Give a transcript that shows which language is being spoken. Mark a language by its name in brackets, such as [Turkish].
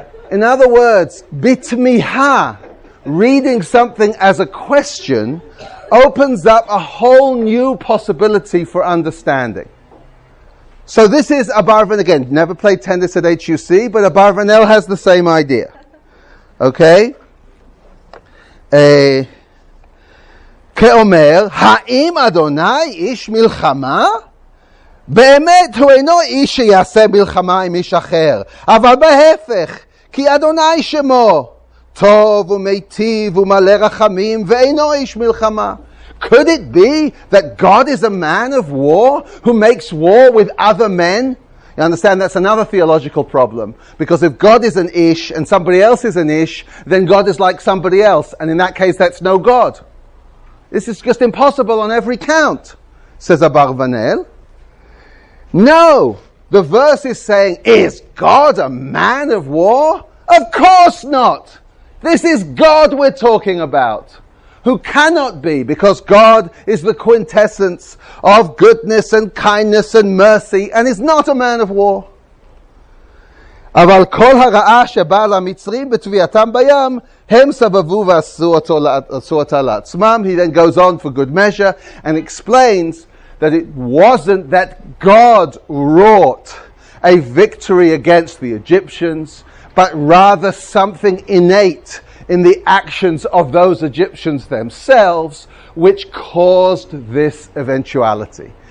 [English] In other words, bitmiha, reading something as a question, opens up a whole new possibility for understanding. So this is Abarvanel again, never played tennis at HUC, but Abarvanel has the same idea. Okay? [Hebrew] כאומר, האם אדוני איש מלחמה? באמת הוא אינו איש שיעשה מלחמה עם איש אחר, אבל בהפך, כי אדוני שמו טוב ומיטיב ומלא רחמים ואינו איש מלחמה. [English] Could it be that God is a man of war who makes war with other men? You understand, that's another theological problem. Because if God is an ish and somebody else is an ish, then God is like somebody else. And in that case, that's no God. This is just impossible on every count, says Abarvanel. No, the verse is saying, is God a man of war? Of course not. This is God we're talking about, who cannot be, because God is the quintessence of goodness and kindness and mercy, and is not a man of war. [Hebrew] אבל כל הרעה שבאה למצרים בתביעתם בים, הם סבבו ועשו אותה לעצמם. [English] He then goes on for good measure and explains that it wasn't that God wrought a victory against the Egyptians, but rather something innate in the actions of those Egyptians themselves, which caused this eventuality.